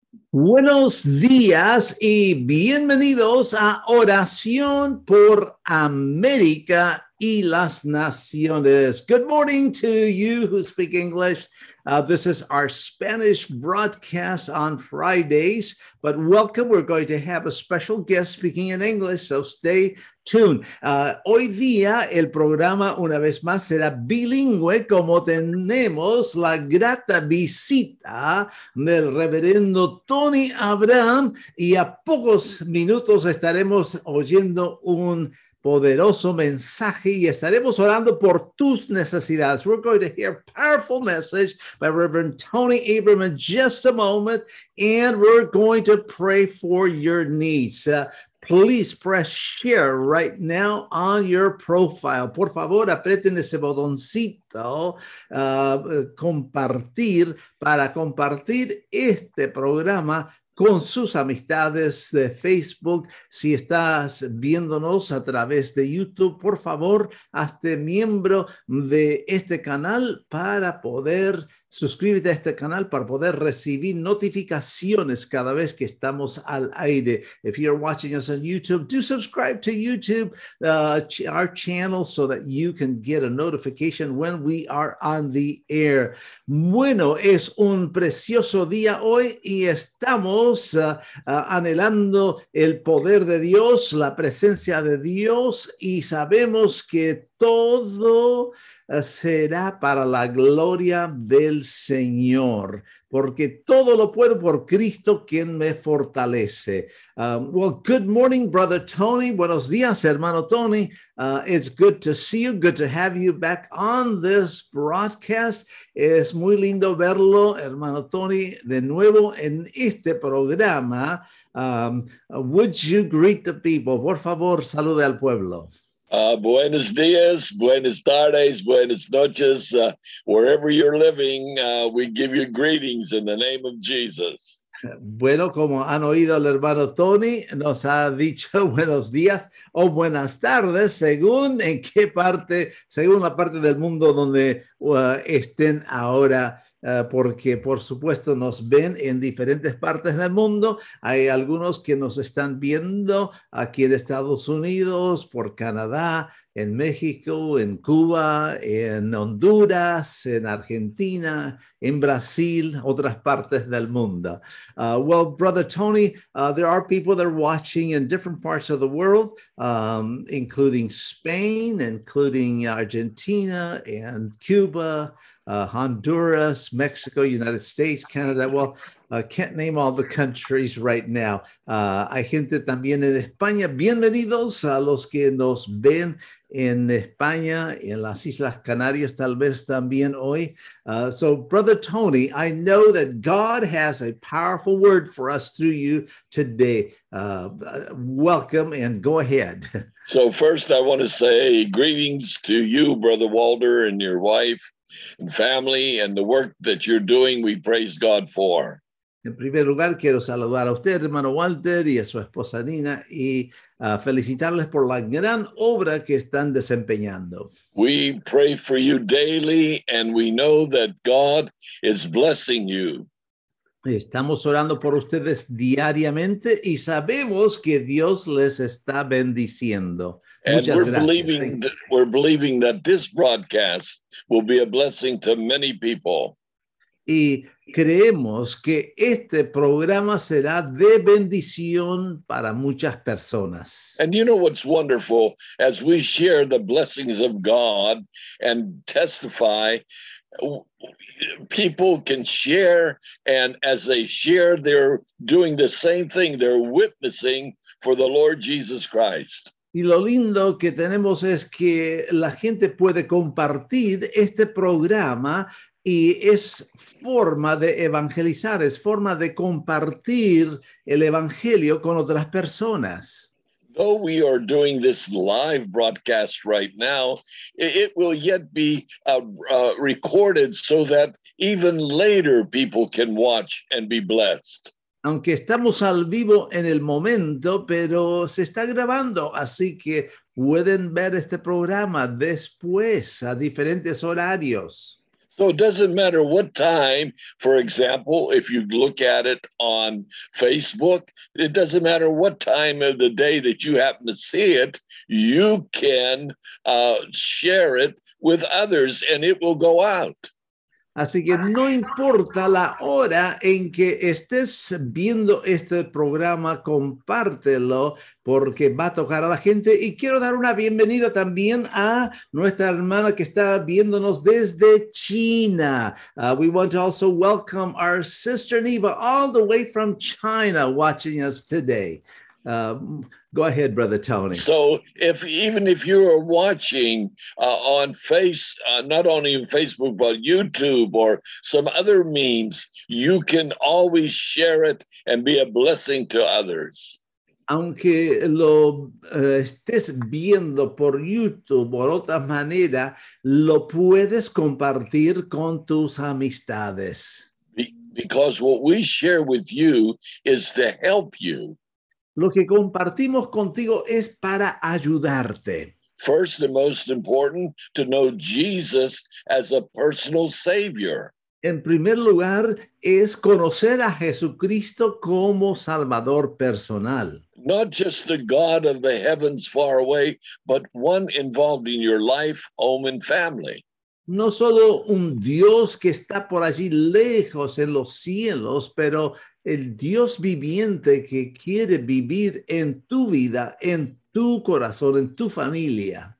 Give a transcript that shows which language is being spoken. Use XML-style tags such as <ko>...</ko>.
<es>Buenos días y bienvenidos a Oración por América y las Naciones.</es> <en>Good morning to you who speak English. This is our Spanish broadcast on Fridays, but welcome. We're going to have a special guest speaking in English, so stay tuned.</en> <es>Hoy día el programa una vez más será bilingüe, como tenemos la grata visita del reverendo Tony Abram, y a pocos minutos estaremos oyendo un poderoso mensaje y estaremos orando por tus necesidades.</es> <en>We're going to hear a powerful message by Reverend Tony Abram in just a moment, and we're going to pray for your needs. Please press share right now on your profile.</en> <es>Por favor, aprieten ese botoncito, compartir, para compartir este programa con sus amistades de Facebook. Si estás viéndonos a través de YouTube, por favor, hazte miembro de este canal para poder suscribirte a este canal para poder recibir notificaciones cada vez que estamos al aire.</es> <en>If you're watching us on YouTube, do subscribe to YouTube, our channel, so that you can get a notification when we are on the air.</en> <es>Bueno, es un precioso día hoy y estamos anhelando el poder de Dios, la presencia de Dios, y sabemos que todo será para la gloria del Señor, porque todo lo puedo por Cristo quien me fortalece.</es> <en>Well, good morning, Brother Tony.</en> <es>Buenos días, hermano Tony.</es> <en>It's good to see you. Good to have you back on this broadcast.</en> <es>Es muy lindo verlo, hermano Tony, de nuevo en este programa.</es> <en>Would you greet the people?</en> <es>Por favor, salude al pueblo. Buenos días, buenas tardes, buenas noches.</es> <en>Wherever you're living, we give you greetings in the name of Jesus.</en> <es>Bueno, como han oído el hermano Tony, nos ha dicho buenos días o buenas tardes, según en qué parte, según la parte del mundo donde estén ahora. Porque por supuesto nos ven en diferentes partes del mundo. Hay algunos que nos están viendo aquí en Estados Unidos, por Canadá, en México, en Cuba, en Honduras, en Argentina, en Brasil, otras partes del mundo.</es> <en>Well, Brother Tony, there are people that are watching in different parts of the world, including Spain, including Argentina and Cuba, Honduras, Mexico, United States, Canada. Well, can't name all the countries right now.</en> <es>Hay gente también en España. Bienvenidos a los que nos ven en España, en las Islas Canarias, tal vez también hoy.</es> <en>So, Brother Tony, I know that God has a powerful word for us through you today. Welcome and go ahead. So first, I want to say greetings to you, Brother Walter, and your wife and family, and the work that you're doing, we praise God for.</en> <es>En primer lugar, quiero saludar a usted, hermano Walter, y a su esposa Nina, y felicitarles por la gran obra que están desempeñando.</es> <en>We pray for you daily, and we know that God is blessing you.</en> <es>Estamos orando por ustedes diariamente, y sabemos que Dios les está bendiciendo. Muchas gracias.</es> <en>We're believing that this broadcast will be a blessing to many people.</en> <es>Y creemos que este programa será de bendición para muchas personas.</es> <en>And you know what's wonderful? As we share the blessings of God and testify, people can share, and as they share, they're doing the same thing. They're witnessing for the Lord Jesus Christ.</en> <es>Y lo lindo que tenemos es que la gente puede compartir este programa, y es forma de evangelizar, es forma de compartir el evangelio con otras personas.</es> <en>Though we are doing this live broadcast right now, it will yet be recorded so that even later people can watch and be blessed.</en> <es>Aunque estamos al vivo en el momento, pero se está grabando, así que pueden ver este programa después a diferentes horarios.</es> <en>So it doesn't matter what time, for example, if you look at it on Facebook, it doesn't matter what time of the day that you happen to see it, you can share it with others and it will go out.</en> <es>Así que no importa la hora en que estés viendo este programa, compártelo porque va a tocar a la gente. Y quiero dar una bienvenida también a nuestra hermana que está viéndonos desde China.</es> <en>We want to also welcome our sister Neva all the way from China watching us today. Go ahead, Brother Tony. So if you are watching not only on Facebook, but YouTube or some other means, you can always share it and be a blessing to others.</en> <es>Aunque lo estés viendo por YouTube o otra manera, lo puedes compartir con tus amistades.</es> <en>Because what we share with you is to help you.</en> <es>Lo que compartimos contigo es para ayudarte.</es> <en>First and most important, to know Jesus as a personal Savior.</en> <es>En primer lugar, es conocer a Jesucristo como Salvador personal.</es> <en>Not just the God of the heavens far away, but one involved in your life, home, and family.</en> <es>No solo un Dios que está por allí lejos en los cielos, pero el Dios viviente que quiere vivir en tu vida, en tu corazón, en tu familia.</es>